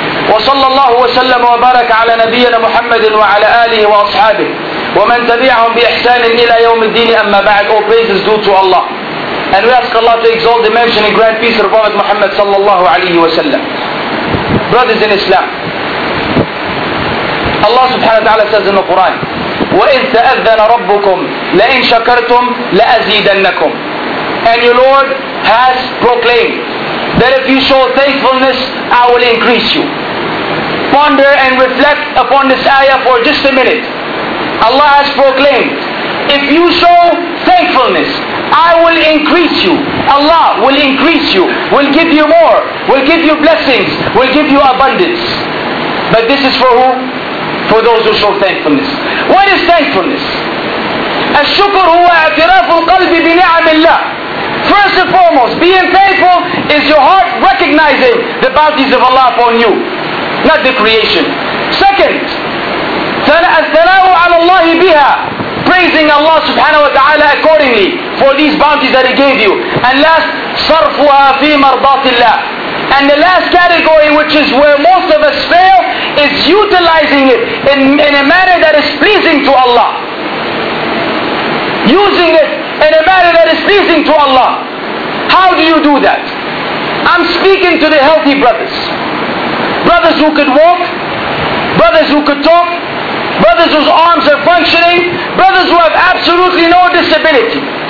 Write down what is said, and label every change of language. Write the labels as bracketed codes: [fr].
[ar] وصلى الله وسلم وبارك على نبينا محمد وعلى آله وأصحابه ومن تبعهم بإحسان إلى يوم الدين أما بعد. [en] All praises due to Allah. And we ask Allah to exalt the mention and grant peace of Prophet Muhammad [ar] صلى الله عليه وسلم. [en] Brothers in Islam, Allah subhanahu wa ta'ala says in the Quran, [ar] وَإِذْ تَأَذَّنَ رَبُّكُمْ لَإِنْ شَكَرْتُمْ لَأَزِيدَنَّكُمْ. [en] And your Lord has proclaimed that if you show thankfulness, I will increase you. Ponder and reflect upon this ayah for just a minute. Allah has proclaimed, if you show thankfulness, I will increase you. Allah will increase you, will give you more, will give you blessings, will give you abundance. But this is for who? For those who show thankfulness. What is thankfulness? [ar] الشكر هو اعتراف القلب بنعم الله. [en] First and foremost, being thankful is your heart recognizing the bounties of Allah upon you, not the creation. Second, [ar] الثناء على الله بها, [en] praising Allah subhanahu wa ta'ala accordingly for these bounties that He gave you. And last, [ar] صرفها في مرضات الله. [en] And the last category, which is where most of us fail, is utilizing it in a manner that is pleasing to Allah. Using it in a manner that is pleasing to Allah. How do you do that? I'm speaking to the healthy brothers. Brothers who could walk, brothers who could talk, brothers whose arms are functioning, brothers who have absolutely no disability.